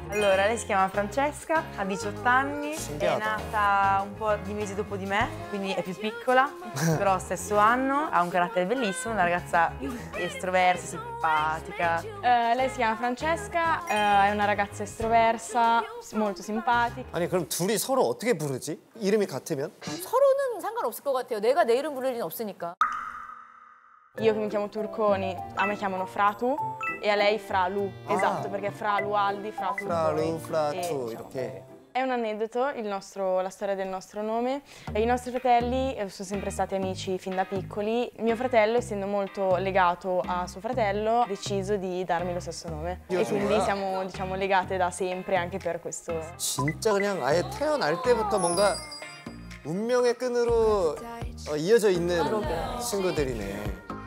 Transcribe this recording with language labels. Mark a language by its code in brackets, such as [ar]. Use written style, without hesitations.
[it] Allora, lei si chiama Francesca, ha 18 anni, è nata un po' di mesi dopo di me, quindi è più piccola, però stesso anno, ha un carattere bellissimo, è una ragazza estroversa, simpatica. Lei si chiama Francesca, è una ragazza estroversa, molto simpatica. [ko] 아니, 그럼 둘이 서로 어떻게 부르지? 이름이 같으면? 서로는 상관없을 것 같아요. 내가 내 이름 부를 리는 없으니까. [it] Io mi chiamo Turconi, a me chiamano Fratu e a lei Fralu. Esatto, perché Fralu Aldi, Fratu. Fralu, Fratu, ok. È un aneddoto, la storia del nostro nome. E i nostri fratelli sono sempre stati amici fin da piccoli. Mio fratello, essendo molto legato a suo fratello, ha deciso di darmi lo stesso nome. Io e quindi vera. Siamo, diciamo, legate da sempre anche per questo. [ko] 진짜 그냥 아예 태어날 때부터 뭔가 운명의 끈으로 이어져 있는 친구들이네.